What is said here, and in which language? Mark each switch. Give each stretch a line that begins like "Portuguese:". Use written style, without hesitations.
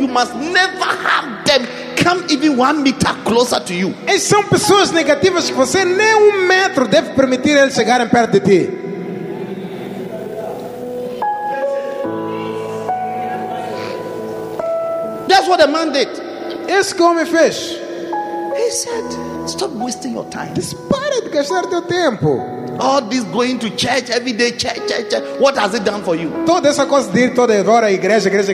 English: You must never have them come even 1 meter closer to you.
Portuguese: Essas são pessoas negativas que você nem 1 metro deve permitir eles chegarem perto de ti.
English: That's what the man did.
Portuguese: Esse que o homem fez.
English: He said, stop wasting your time.
Portuguese: Pare de gastar teu tempo.
English: All this going to church every day, church. What has it done for you?
Portuguese: Toda essa coisa de ir toda hora à igreja.